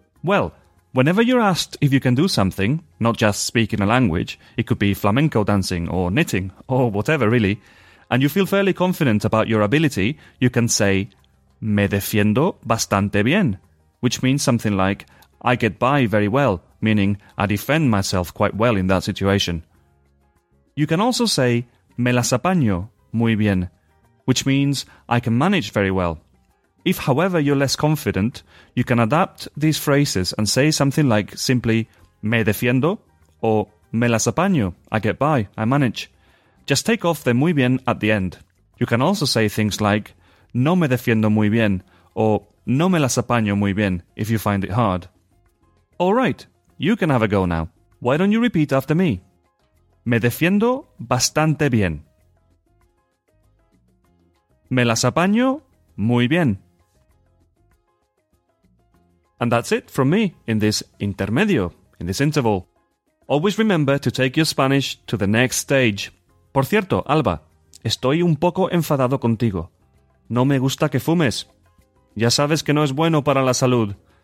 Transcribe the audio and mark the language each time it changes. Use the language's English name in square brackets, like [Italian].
[English] Well, whenever you're asked if you can do something, not just speaking a language, it could be flamenco dancing, or knitting, or whatever really, and you feel fairly confident about your ability, you can say [Spanish] me defiendo bastante bien, [English] which means something like I get by very well, meaning I defend myself quite well in that situation. You can also say, [Spanish] me las apaño, muy bien, [English] which means I can manage very well. If, however, you're less confident, you can adapt these phrases and say something like simply [Spanish] me defiendo [English] or [Spanish] me las apaño, [English] I get by, I manage. Just take off the muy bien at the end. You can also say things like [Spanish] no me defiendo muy bien [English] or [Spanish] no me las apaño muy bien [English] if you find it hard. All right, you can have a go now. Why don't you repeat after me? [Spanish] Me defiendo bastante bien. Me las apaño muy bien. [English] And that's it from me in this intermedio, in this interval. Always remember to take your Spanish to the next stage. [Spanish] Por cierto, Alba, estoy un poco enfadado contigo. No me gusta que fumes. Ya sabes que no es bueno para la salud.